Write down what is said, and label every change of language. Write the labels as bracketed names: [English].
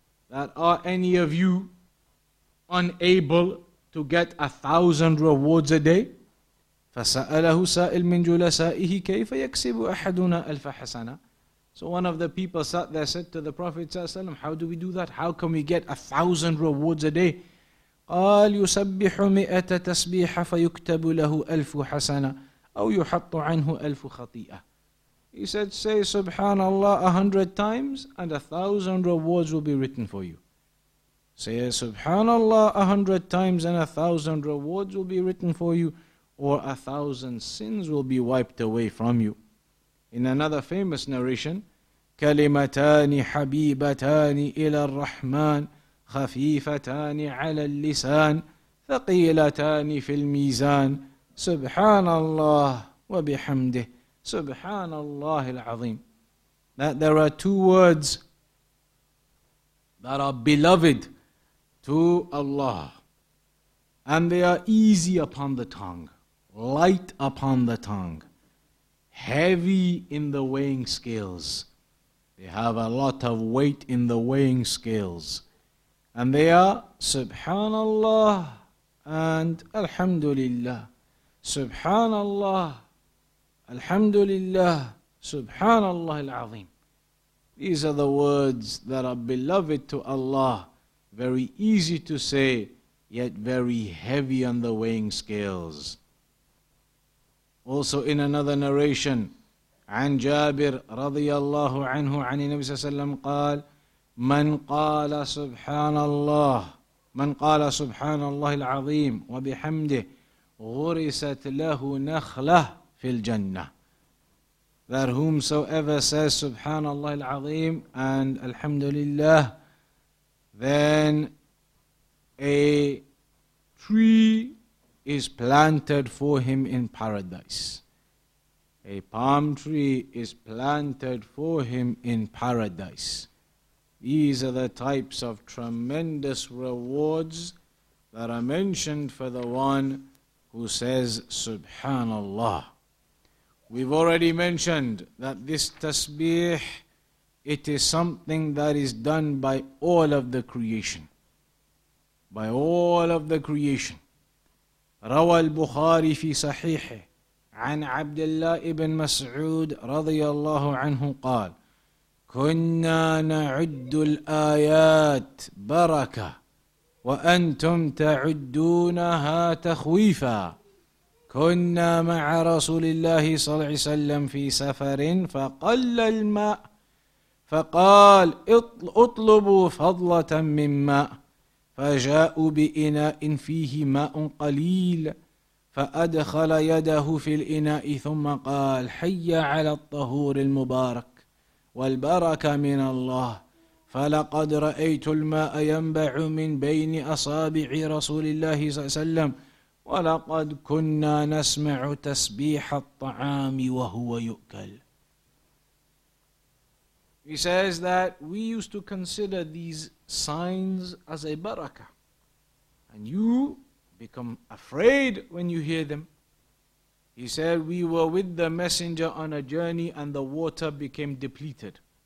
[English] That are any of you unable to get 1,000 rewards a day? [Arabic] فَسَأَلَهُ سَائِلْ مِنْ جُلَسَائِهِ كَيْفَ يَكْسِبُ أَحَدُنَا أَلْفَ حَسَنَةً. [English] So one of the people sat there, said to the Prophet ﷺ, how do we do that? How can we get 1,000 rewards a day? [Arabic] قال يسبح مئة تسبيحة فيكتب له ألف حسنة أو يحط عنه ألف خطيئة. [English] He said, say Subhanallah 100 times and 1,000 rewards will be written for you. Say Subhanallah 100 times and 1,000 rewards will be written for you, or 1,000 sins will be wiped away from you. In another famous narration, [Arabic] كلمتان حبيبتان إلى الرحمن خفيفتان على اللسان ثقيلتان في الميزان سبحان الله وبحمده سبحان الله العظيم. [English] That there are two words that are beloved to Allah, and they are easy upon the tongue, light upon the tongue, heavy in the weighing scales. They have a lot of weight in the weighing scales. And they are Subhanallah and Alhamdulillah. Subhanallah, Alhamdulillah, Subhanallah al-Azim. These are the words that are beloved to Allah, very easy to say, yet very heavy on the weighing scales. Also in another narration, [Arabic] عن جابر رضي الله عنه عن النبي صلى الله عليه وسلم قال من قال سبحان الله من قال سبحان الله العظيم وبحمده غرست له نخلة في الجنة. [English] That whomsoever says [Arabic] سبحان الله العظيم [English] and [Arabic] الحمد لله, [English] then a tree is planted for him in paradise. A palm tree is planted for him in paradise. These are the types of tremendous rewards that are mentioned for the one who says Subhanallah. We've already mentioned that this tasbih, it is something that is done by all of the creation. By all of the creation. [Arabic] روى البخاري في صحيحه عن عبد الله بن مسعود رضي الله عنه قال كنا نعد الآيات بركة وأنتم تعدونها تخويفا كنا مع رسول الله صلى الله عليه وسلم في سفر فقل الماء فقال اطلبوا فضلة من ماء فجاءوا بإناء فيه ماء قليل فأدخل يده في الإناء ثم قال حي على الطهور المبارك والبركة من الله فلقد رأيت الماء ينبع من بين أصابع رسول الله صلى الله عليه وسلم ولقد كنا نسمع تسبيح الطعام وهو يؤكل. [English] He says that we used to consider these signs as a barakah, and you become afraid when you hear them. He said, we were with the messenger on a journey and the water became depleted.